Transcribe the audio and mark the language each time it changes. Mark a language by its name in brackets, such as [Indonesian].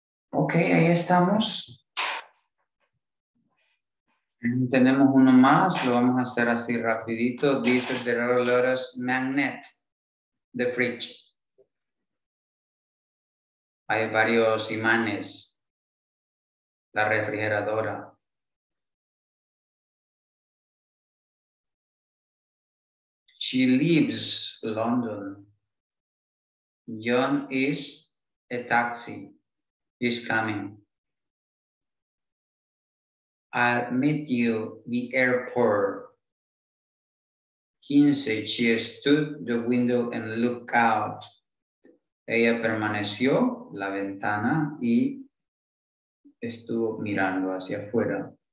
[Spanish] Okay, ahí estamos. Tenemos uno más, lo vamos a hacer así rapidito. [English] Dice, there are a lot of magnets, the fridge. [Spanish] Hay varios imanes, la refrigeradora. [English] She lives London. John is a taxi. Is coming. I'll meet you the airport. Quince, she stood the window and looked out. [Spanish] Ella permaneció la ventana y estuvo mirando hacia afuera.